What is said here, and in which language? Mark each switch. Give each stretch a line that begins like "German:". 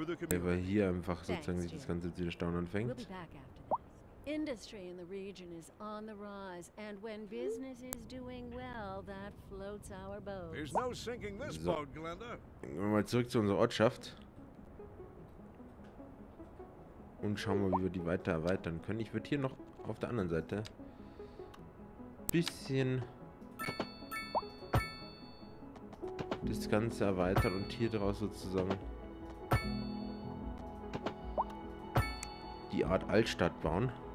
German: Weil hier einfach sozusagen sich das Ganze zu den Staunen anfängt.
English: Industry in the region is on the rise, and when business is doing well, that floats our boat. There's no sinking this boat, Glenda.
German: Gehen wir mal zurück zu unserer Ortschaft und schauen mal, wie wir die weiter erweitern können. Ich würde hier noch auf der anderen Seite ein bisschen das Ganze erweitern und hier draus sozusagen die Art Altstadt bauen.